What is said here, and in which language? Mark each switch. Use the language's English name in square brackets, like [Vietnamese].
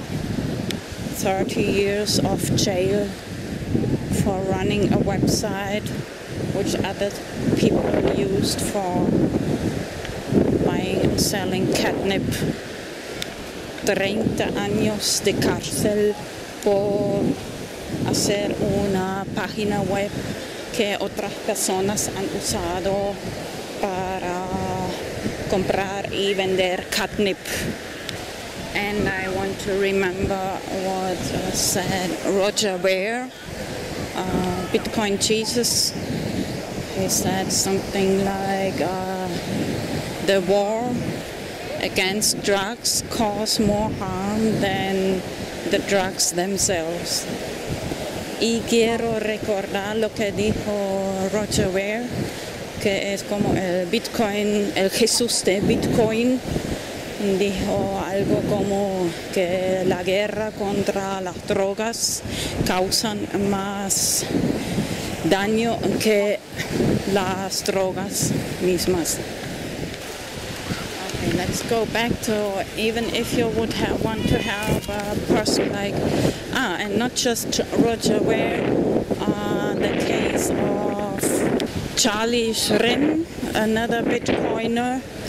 [English] 30 years of jail for running a website which other people used for buying and selling catnip. [Spanish] 30 años de cárcel por hacer una página web que otras personas han usado para comprar y vender catnip. [English] And I want to remember what said Roger Ware, Bitcoin Jesus. He said something like, the war against drugs cause more harm than the drugs themselves. [Spanish] Y quiero recordar lo que dijo Roger Ware, que es como el Bitcoin, el Jesús de Bitcoin. Dijo algo como que la guerra contra las drogas causan más daño que las drogas mismas. [English] Okay, let's go back to, even if you would have, want to have a person like, and not just Roger Ware, the case of Charlie Shrim, another Bitcoiner.